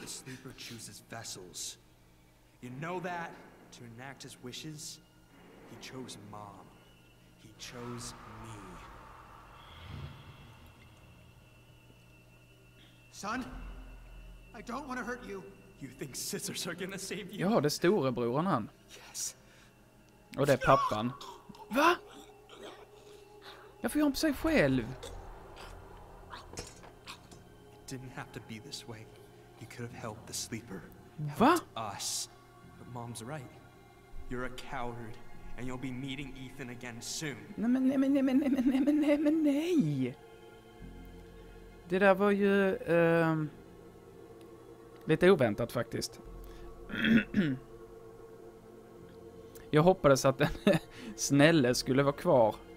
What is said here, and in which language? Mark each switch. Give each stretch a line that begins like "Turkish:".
English: The sleeper chooses vessels. You know that? To enact his wishes, he chose mom. He chose me. Son, I don't want to hurt you. You think scissors are gonna save you?
Swedish: Ja, det är storebroren han. Yes. Och det är pappan. Va? Jag får göra på sig själv.
English: Didn't have to be this way. You could have helped the sleeper. Va? Us. But mom's right. You're a coward and you'll be meeting Ethan again soon.
Swedish: Nej. Det där var ju lite oväntat faktiskt. Jag hoppades att den snälle skulle vara kvar.